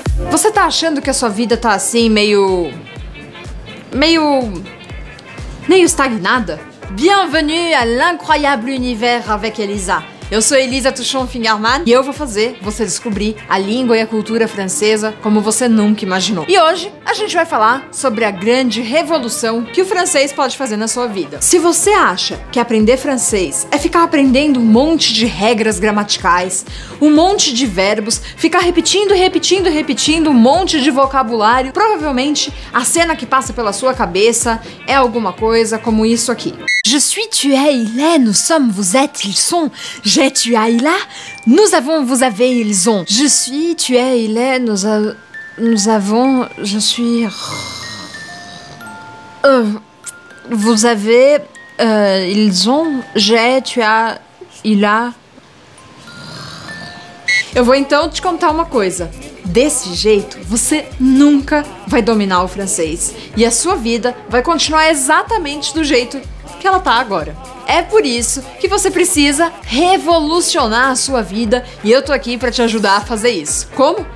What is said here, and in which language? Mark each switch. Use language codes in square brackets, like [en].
[pt] Você tá achando que a sua vida tá assim meio estagnada? [fr] Bienvenue à l'incroyable univers avec Elisa. [pt] Eu sou Elisa Tuchon-Fingerman e eu vou fazer você descobrir a língua e a cultura francesa como você nunca imaginou. E hoje a gente vai falar sobre a grande revolução que o francês pode fazer na sua vida. Se você acha que aprender francês é ficar aprendendo um monte de regras gramaticais, um monte de verbos, ficar repetindo um monte de vocabulário, provavelmente a cena que passa pela sua cabeça é alguma coisa como isso aqui. [fr] Je suis, tu es, il est, nous sommes, vous êtes, ils sont, j'ai, tu as, il a, nous avons, vous avez, ils ont. Je suis, tu es, il est, nous avons, je suis, vous avez, ils ont, j'ai, tu as, il a. [pt] Eu vou então te contar uma coisa. Desse jeito, você nunca vai dominar o francês. E a sua vida vai continuar exatamente do jeito que ela tá agora. É por isso que você precisa revolucionar a sua vida e eu tô aqui pra te ajudar a fazer isso. Como?